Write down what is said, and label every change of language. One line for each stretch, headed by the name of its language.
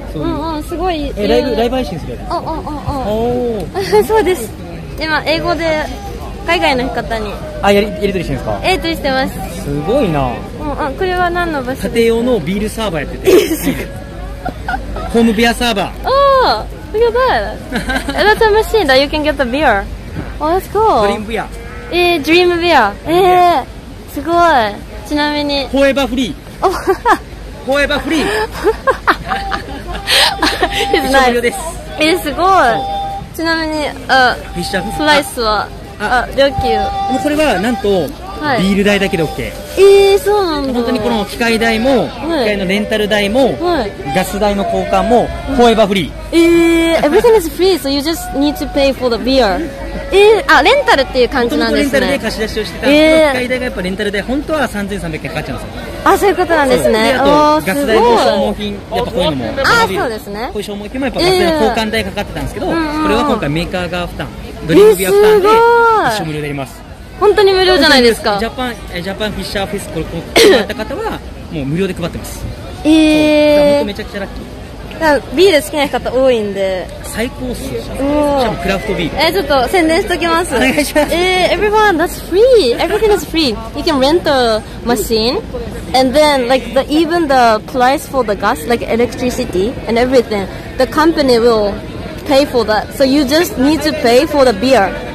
Japanese: うんうん、すごい。ライブ配信するやつ。おおおお。そうです。今、英語で海外の方に。あ、やり取りしてるんですか? やり取りしてます。すごいな。うん、あ、これは何の場所? 家庭用のビールサーバーやってて。ホームビアサーバー。おお、すごい。
English: That's a machine that you can get the beer. Oh, that's cool.
Japanese: ドリームビア。ドリームビア。すごい。ちなみに。フォーエバーフリー。おフォーエバーフリー。フィッシャーです。すごい。ちなみに、フィッシャースライスは。あ、料金もうこれはなんとビール代だけで OK、はい、そうなんだ。本当にこの機械代も、はい、機械のレンタル代も、はい、ガス代の交換も、はい、フォーエバーフリー。
English: Everything is free, so you just need to pay for the beer.
Japanese: あ、レンタルっていう感じなんですね。レンタルで貸し出しをしてたんですけど、機械代がやっぱレンタル代本当は3300円かかっちゃうんですよ。あ、そういうことなんですね。で、あとガス代と消耗品、やっぱこういうのも、あ、そうですね。こういう消耗品もやっぱガス代の交換代かかってたんですけど、これは今回メーカー側負担、ドリームビア負担で一緒無料でやります。本当に無料じゃないですか。ジャパンフィッシャーフェスこれ配った方はもう無料で配ってます。へぇ、本当めちゃくちゃラッキー。ビール好きな方多いんで最高っすよ。しかもクラフトビール、ちょっと宣伝しときます。お願いします。
English: Everyone, that's free. Everything is free. You can rent a machine and then like the, even the price for the gas, like electricity and everything, the company will pay for that. So you just need to pay for the beer.